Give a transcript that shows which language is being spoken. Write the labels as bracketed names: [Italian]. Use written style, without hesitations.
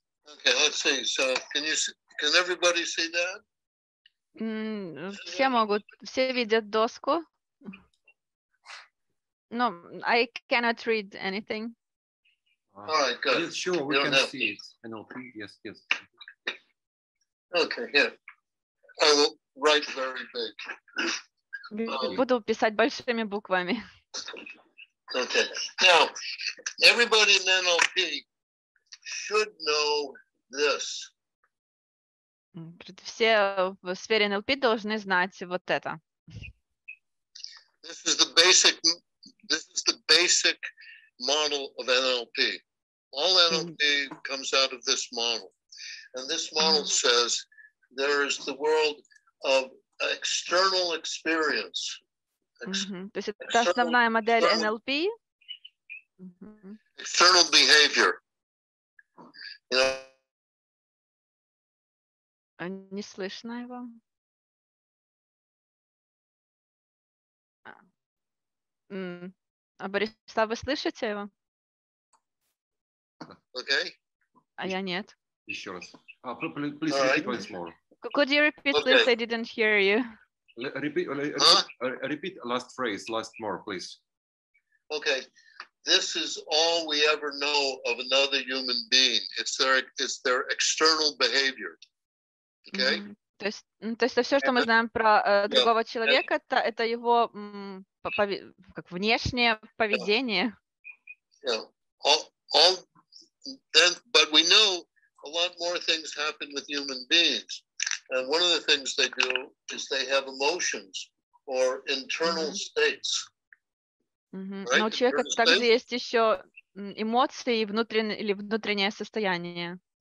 [English] Okay, let's see. So, can everybody see that? [Russian] Все могут, все видят доску. [English] No, I cannot read anything. All right, good. Sure, we can see it. NLP, yes, yes. Okay, here. I will write very big. [Russian] Буду писать большими буквами. [English] Okay. Now, everybody in NLP should know this. [Russian] Все в сфере NLP должны знать вот это. [English] This is the basic model of NLP. All NLP comes out of this model. And this model says there is the world of external experience. [Russian] То есть это основная модель NLP? [English] External behavior. [Russian] Не слышно его. А Борис, вы слышите его? [English] Okay. [Russian] А я нет. Еще раз. [English] Please repeat right. Once more. Could you repeat, okay. Please? I didn't hear you. Repeat last phrase, last more, please. Okay. This is all we ever know of another human being. It's their external behavior. Okay. Mm-hmm. [Russian] То есть это все, что мы знаем про другого человека, это его как внешнее поведение. [English] Yeah. But we know a lot more things happen with human beings. And one of the things they do is they have emotions or internal mm-hmm. states. Mm-hmm. Right? [Russian] Но у человека также есть еще эмоции и внутреннее состояние.